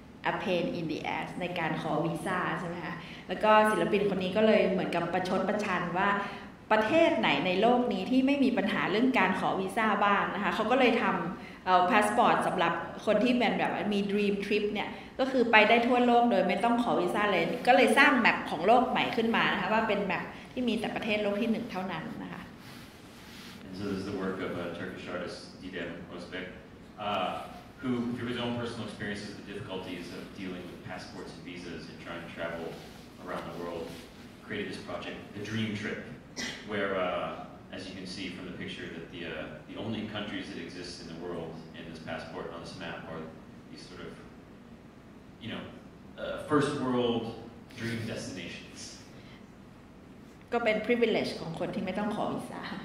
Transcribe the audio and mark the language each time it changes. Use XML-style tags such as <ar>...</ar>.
<en>a pain in the ass</en> <th>ในการขอวีซ่าใช่ไหมคะแล้วก็ศิลปินคนนี้ก็เลยเหมือนกับประชดประชันว่าประเทศไหนในโลกนี้ที่ไม่มีปัญหาเรื่องการขอวีซ่าบ้างนะคะเขาก็เลยทำพาสปอร์ตสำหรับคนที่เป็นแบบมี dream trip เนี่ยก็คือไปได้ทั่วโลกโดยไม่ต้องขอวีซ่าเลยก็เลยสร้างแมปของโลกใหม่ขึ้นมานะคะว่าเป็นแมปที่มีแต่ประเทศโลกที่หนึ่งเท่านั้นนะคะ</th> <en>And so this is the work of a Turkish artist Didem Özbek who through his own personal experiences the difficulties of dealing with passports and visas and trying to travel around the world created this project the dream tripWhere, as you can see from the picture, that the only countries that exist in the world in this passport on this map are these sort of, you know, first world dream destinations.</en> <th>ก็เป็น privilege ของคนที่ไม่ต้องขอวีซ่า</th>